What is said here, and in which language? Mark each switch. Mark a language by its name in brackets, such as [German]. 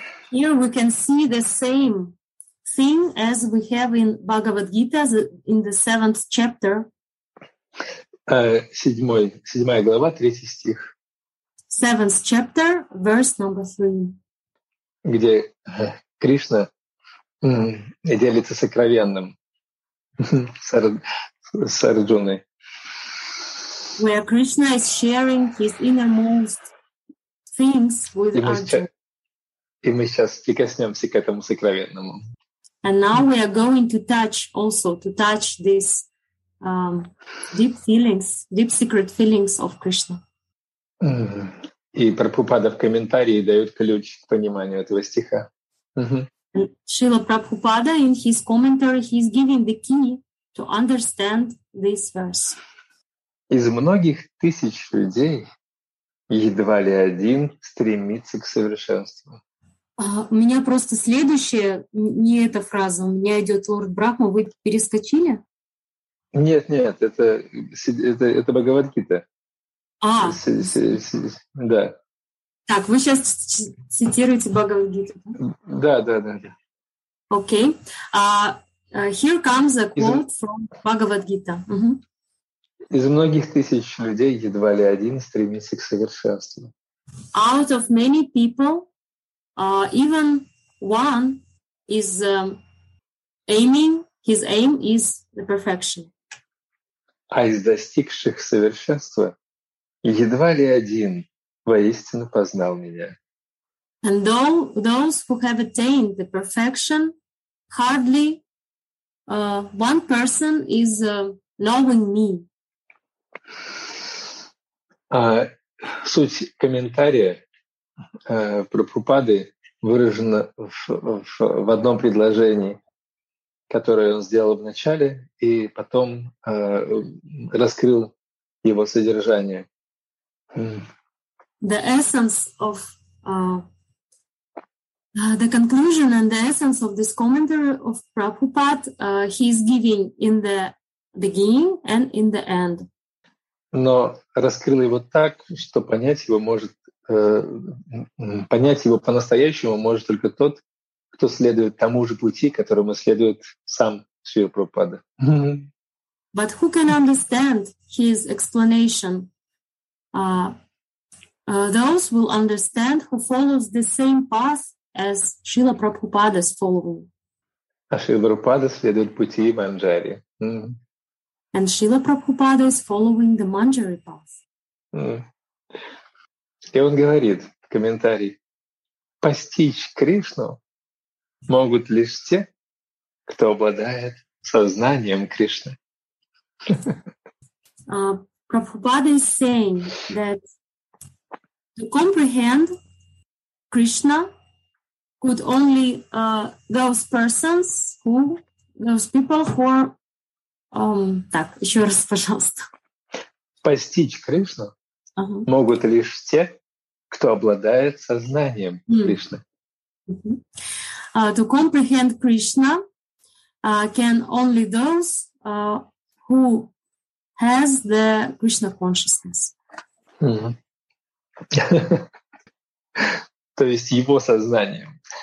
[English] Here we can see the same thing as we have in Bhagavad-gita in the 7th chapter. [Russian] Седьмая глава, третий стих. [English] Seventh chapter, verse number three. [Russian] Где Кришна делится сокровенным с Арджуной. [English] Where Krishna is sharing his innermost things with Arjuna. [Russian] И мы сейчас прикоснемся к этому сокровенному. [English] And now we are going to touch also, to touch this deep feelings, deep secret feelings of Krishna. [Russian] И Прабхупада в комментарии дает ключ к пониманию этого стиха. [English] Шрила Прабхупада in his commentary he is giving the key to understand this verse. [Russian] Из многих тысяч людей едва ли один стремится к совершенству. У меня просто следующее, не эта фраза, у меня идет Лорд Брахма, вы перескочили? Нет, нет, это Бхагавад-гита. А. Да. Так, вы сейчас цитируете Бхагавад-гиту. Да, да, да. [English] Окей. Here comes a quote from Бхагавад-гита. [Russian] Из многих тысяч людей едва ли один стремится к совершенству. [English] Out of many people, even one is aiming, his aim is the perfection. [Russian] А из достигших совершенства едва ли один воистину познал меня. [English] And though those who have attained the perfection, hardly one person is knowing me. [Russian] Суть комментария Прабхупады выражена в одном предложении, которое он сделал в начале, и потом раскрыл его содержание. [English] The essence of the conclusion and the essence of this commentary of Prabhupada he is giving in the beginning and in the end. [Russian] Но раскрыл его так, что понять его может понять его по-настоящему может только тот, кто следует тому же пути, которому следует сам Шрила Прабхупада. [English] But who can understand his explanation? Those will understand who follows the same path as Srila Prabhupada's following. [Russian] А Шрила Прабхупада следует пути манджари. [English] And Srila Prabhupada is following the Manjari path. [Russian] И он говорит в комментарии, постичь Кришну могут лишь те, кто обладает сознанием Кришны. [English] Prabhupada is saying that to comprehend Krishna could only those persons who, those people who are [Russian] так, еще раз, пожалуйста. Постичь Кришну могут лишь те, кто обладает сознанием Кришны. [English] To comprehend Krishna can only those who has the Krishna consciousness. [Russian] То есть его сознанием.